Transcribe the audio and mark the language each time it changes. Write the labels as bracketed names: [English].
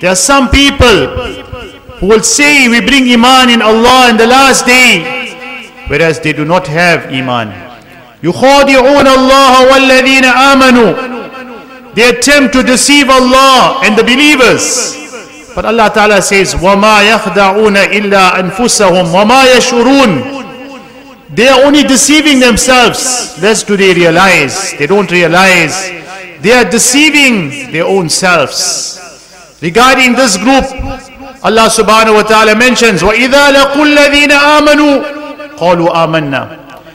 [English] There are some people who will say, we bring iman in Allah in the last day, whereas they do not have iman. [Arabic] يُخَادِعُونَ اللَّهَ وَالَّذِينَ آمَنُوا. [English] They attempt to deceive Allah and the believers. But Allah Ta'ala says, [Arabic] وَمَا يَخْدَعُونَ إِلَّا أَنفُسَهُمْ وَمَا يَشْعُرُونَ. [English] They are only deceiving themselves. Less do they realize. They don't realize. They are deceiving their own selves. Regarding this group, Allah subhanahu wa ta'ala mentions, [Arabic] وَإِذَا لَقُوا الَّذِينَ آمَنُوا قَالُوا آمَنَّا.